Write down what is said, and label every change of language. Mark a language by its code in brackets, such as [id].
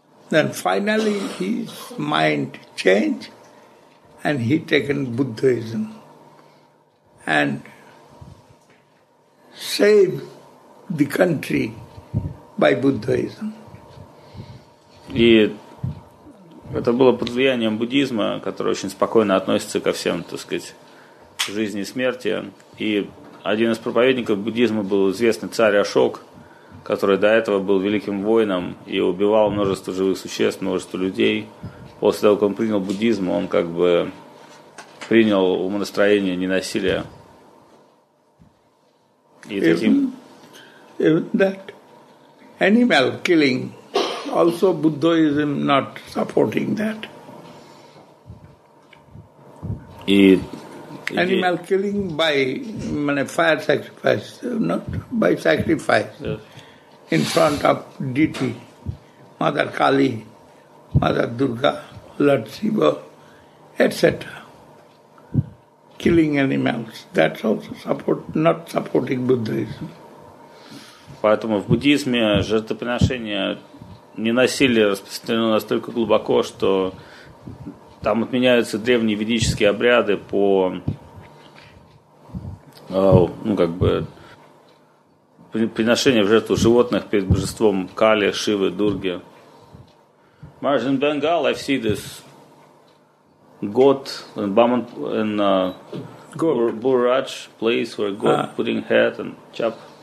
[en] Then finally his mind changed and he taken Buddhism and saved the country by Buddhism. [ru] И это было под влиянием буддизма, который очень спокойно относится ко всем, так сказать, жизни и смерти. И один из проповедников буддизма был известный царь Ашок, который до этого был великим воином и убивал множество живых существ, множество людей. После того, как он принял буддизм, он как бы принял умонастроение ненасилия. И таким... [en] Even that animal killing, also Buddhism not supporting that. [ru] И... [en] Animal killing by fire sacrifice, not by sacrifice. Yes. In front of deity, Mother Kali, Mother Durga, Lord Shiva, etc. Killing animals. That's also support, not supporting Buddhism. [ru] Поэтому в буддизме жертвоприношение ненасилие распространено настолько глубоко, что там отменяются древние ведические обряды по приношение в жертву животных перед божеством Кали, Шивы, Дурги. [en] Maharaj, in Bengal I see this goat in Baman in Buraj place where goat putting head and chop.